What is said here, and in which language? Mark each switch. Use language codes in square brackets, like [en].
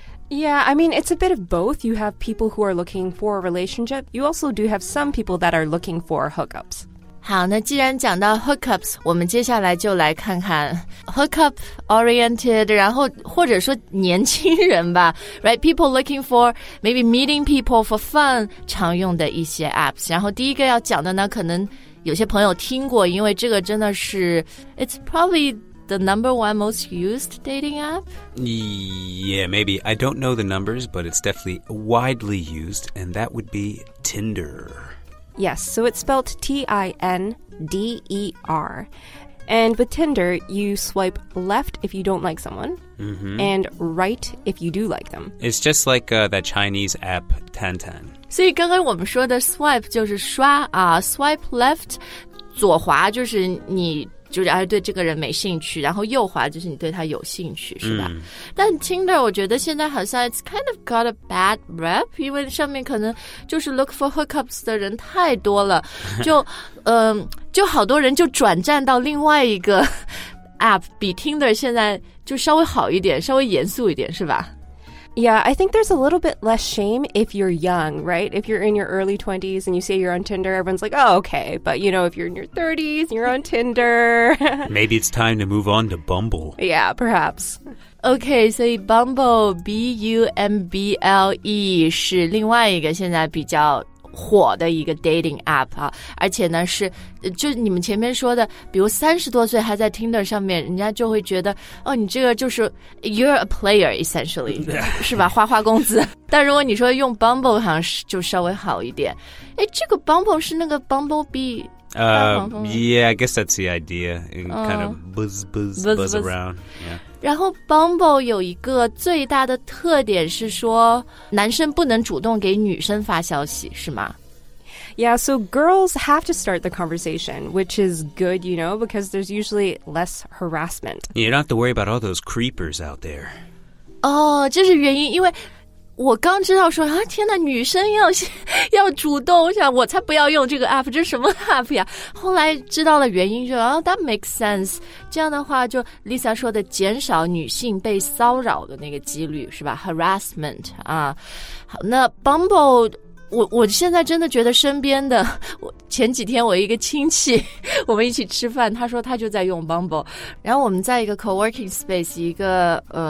[en] Yeah, I mean, it's a bit of both. You have people who are looking for a relationship. You also do have some people that are looking for hookups. [zh] 好，那既然讲到 hookups, 我们接下来就来看看 hookup oriented, 然后或者说年轻人吧 right? [en] People looking for maybe meeting people for fun, [zh] 常用的一些 [en] apps. [zh] 然后第一个要讲的呢，可能有些朋友听过，因为这个真的是 [en] it's probably the number one most used dating app. Yeah, maybe. I don't know the numbers, but it's definitely widely used, and that would be Tinder. Yes, so it's spelled T-I-N-D-E-R. And with Tinder, you swipe left if you don't like someone、mm-hmm. and right if you do like them. It's just like、that Chinese app Tantan. [zh] 所以刚刚我们说的 swipe 就是刷、 [en] swipe left, [zh] 左滑就是你就是对这个人没兴趣，然后右滑就是你对他有兴趣，是吧、mm. 但 Tinder 我觉得现在好像 [en] it's kind of got a bad rep, [zh] 因为上面可能就是 [en] look for hookups [zh] 的人太多了，就就好多人就转战到另外一个 app, 比 Tinder 现在就稍微好一点，稍微严肃一点，是吧？ [en] Yeah, I think there's a little bit less shame if you're young, right? If you're in your early 20s and you say you're on Tinder, everyone's like, oh, okay. But, you know, if you're in your 30s and you're on Tinder... Maybe it's time to move on to Bumble. Yeah, perhaps. [zh] Okay, so Bumble, B-U-M-B-L-E, 是另外一个现在比较火的一个 dating app 啊，而且呢是就你们前面说的，比如三十多岁还在 Tinder 上面，人家就会觉得哦，你这个就是 [en] you're a player essentially [zh] 是吧？花花公子。但如果你说用 Bumble 好像是就稍微好一点。哎，这个 Bumble 是那个 Bumblebee。 [en] Yeah, I guess that's the idea. Kind of buzz around. Yeah. 然后 Bumble 有一个最大的特点是说男生不能主动给女生发消息，是吗？ Yeah, so girls have to start the conversation, which is good, you know, because there's usually less harassment. You don't have to worry about all those creepers out there. [zh] 哦，这是原因，因为我刚知道说啊，天哪，女生要主动，我想我才不要用这个 app， 这是什么 app 呀？后来知道了原因就，就啊 ， [en] that makes sense。 [zh] 这样的话，就 Lisa 说的，减少女性被骚扰的那个几率是吧 ？Harassment 啊，好，那 Bumble， 我现在真的觉得身边的，我前几天我一个亲戚，我们一起吃饭，他说他就在用 Bumble， 然后我们在一个 co-working space， 一个